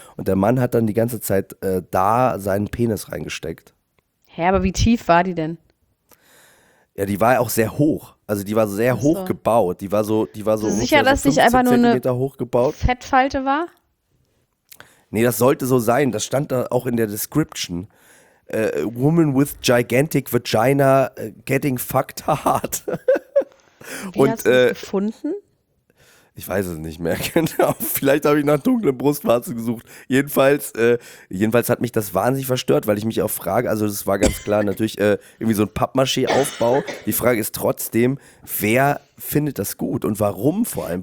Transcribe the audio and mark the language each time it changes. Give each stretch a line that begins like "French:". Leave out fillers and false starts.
German: Und der Mann hat dann die ganze Zeit da seinen Penis reingesteckt. Hä, aber wie tief war die denn? Ja, die war auch sehr hoch. Also die war sehr hoch gebaut. Die war so sicher, dass sich einfach nur eine hochgebaut. Fettfalte war? Nee, das sollte so sein. Das stand da auch in der Description.
English: Woman with gigantic vagina getting fucked hard.
German: Wie hast du das gefunden? Ich weiß es nicht mehr genau. Vielleicht habe ich nach dunklen Brustwarzen gesucht. Jedenfalls hat mich das wahnsinnig verstört, weil ich mich auch frage, also das war ganz klar, natürlich irgendwie so ein Pappmaché-Aufbau. Die Frage ist trotzdem, wer findet das gut und warum vor allem?